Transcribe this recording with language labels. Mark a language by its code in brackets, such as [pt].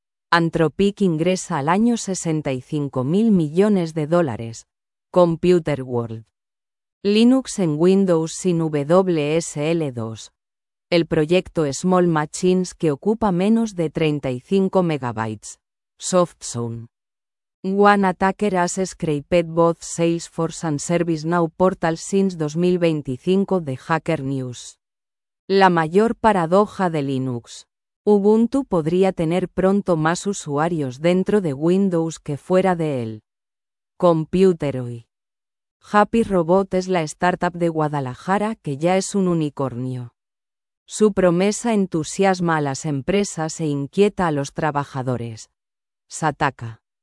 [es] Anthropic ingresa al año $65 mil millones. Computer World. Linux en Windows sin WSL2. El proyecto Small Machines que ocupa menos de 35 megabytes. SoftZone. [en] One attacker has scraped both Salesforce and ServiceNow portals since 2025, The Hacker News. [es] La mayor paradoja de Linux. Ubuntu podría tener pronto más usuarios dentro de Windows que fuera de él. Computeroy. Happy Robot es la startup de Guadalajara que ya es un unicornio. Su promesa entusiasma a las empresas e inquieta a los trabajadores. Sataka.